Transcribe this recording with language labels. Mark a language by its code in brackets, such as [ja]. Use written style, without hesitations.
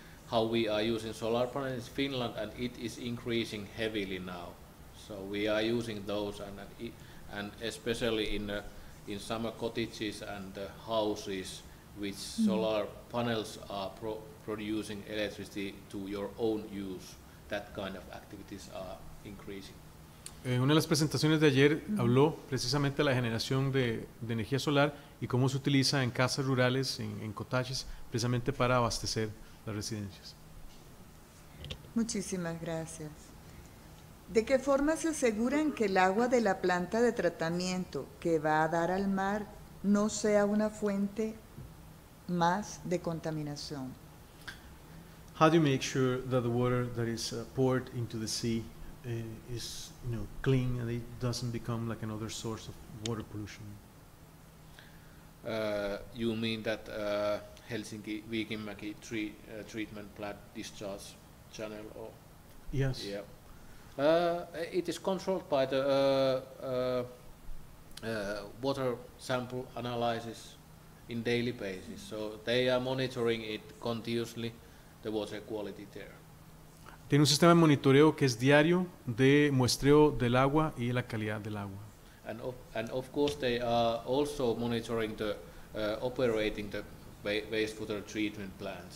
[en] How we are using solar panels in Finland, and it is increasing heavily now. So we are using those, and especially in summer cottages and houses, which solar panels are producing electricity to your own use. That kind of activities are increasing. [es] En una de las presentaciones de ayer habló precisamente de la generación de energía solar y cómo se utiliza en casas rurales, en cottages, precisamente para abastecer las residencias. Muchísimas gracias. ¿De qué forma se aseguran que el agua de la planta de tratamiento que va a dar al mar no sea una fuente más de contaminación? [en] How do you make sure that the water that is poured into the sea is, you know, clean and it doesn't become like another source of water pollution? You mean that Helsinki Viikinmäki treatment plant discharge channel, or yes, yeah, it is controlled by the water sample analysis in daily basis. So they are monitoring it continuously, the water quality there. [es] Tiene un sistema de monitoreo que es diario de muestreo del agua y la calidad del agua. [en] And of course they are also monitoring the operating the wastewater treatment plants.